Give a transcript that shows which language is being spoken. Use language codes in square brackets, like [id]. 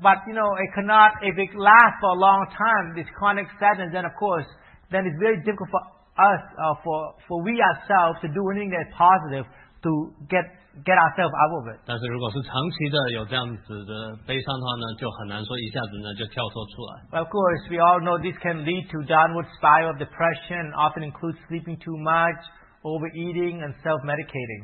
[en] But you know, it cannot, if it lasts for a long time, this chronic sadness, then of course, then it's very difficult for us, for we ourselves to do anything that's positive to get ourselves out of it. [zh] 但是如果是长期的有这样子的悲伤的话呢，就很难说一下子呢就跳脱出来。 [en] Of course, we all know this can lead to downward spiral of depression, often includes sleeping too much, overeating, and self-medicating.